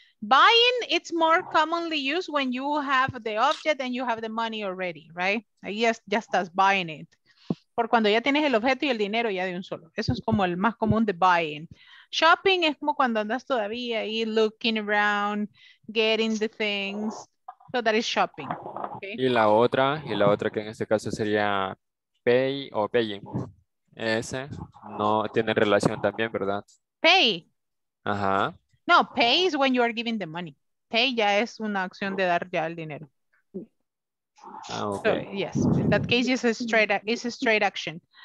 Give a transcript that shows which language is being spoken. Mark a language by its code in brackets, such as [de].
[en] Buying, it's more commonly used when you have the object and you have the money already, right? Yes, just as buying it. [es] Por cuando ya tienes el objeto y el dinero ya de un solo. Eso es como el más común de buying. [en] Shopping [es] es como cuando andas todavía ahí [en] looking around, getting the things. So that is shopping. Okay? [es] Y la otra que en este caso sería pay o paying. Ese no tiene relación también, ¿verdad? [en] Pay. Ajá. No, pay is when you are giving the money. [es] Pay ya es una acción de dar ya el dinero. [en] Ah, okay. So, yes, in that case, it's a straight action.